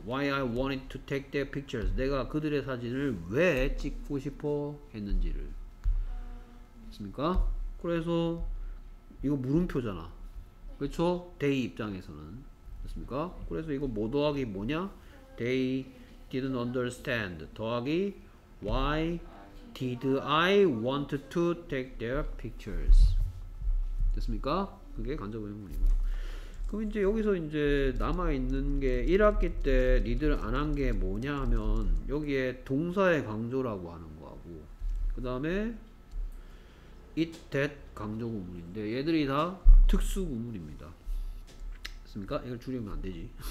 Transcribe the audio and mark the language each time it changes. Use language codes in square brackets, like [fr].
[en] Why I wanted to take their pictures. [ko] 내가 그들의 사진을 왜 찍고 싶어 했는지를. 됐습니까? 그래서 이거 물음표잖아. 그렇죠? They 입장에서는. 됐습니까? 그래서 이거 뭐 더하기 뭐냐? [en] They didn't understand [ko] 더하기 [en] why did I want to take their pictures. [ko] 됐습니까? 그게 간접 의문이고 그럼 이제 여기서 이제 남아있는 게 1학기 때 니들 안 한 게 뭐냐 하면 여기에 동사의 강조라고 하는 거하고 그 다음에 it, that 강조 구문인데 얘들이 다 특수 구문입니다. 됐습니까? 이걸 줄이면 안 되지.